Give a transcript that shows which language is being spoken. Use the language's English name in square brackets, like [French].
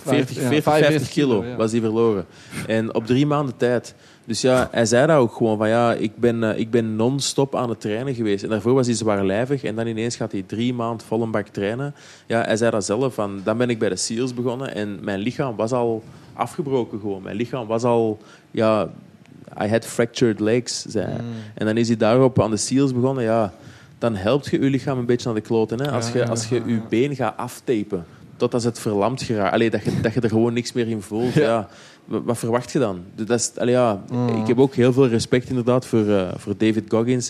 [Dutch] Ja, 50 kilo was hij verloren. En op 3 maanden tijd. Dus ja, hij zei dat ook gewoon van ik ben non-stop aan het trainen geweest. En daarvoor was hij zwaarlijvig. En dan ineens gaat hij 3 maanden vol een bak trainen. Ja, hij zei dat zelf. Van, dan ben ik bij de SEALs begonnen. En mijn lichaam was al afgebroken gewoon. Mijn lichaam was al... [English] Ja, I had fractured legs, [Dutch] zei hij. En dan is hij daarop aan de SEALs begonnen, ja... Dan helpt je lichaam een beetje naar de kloten. Hè? Als je je been gaat aftapen, totdat het verlamd geraakt. Allee, dat je er gewoon niks meer in voelt. Ja. Wat verwacht je dan? Ik heb ook heel veel respect inderdaad voor David Goggins.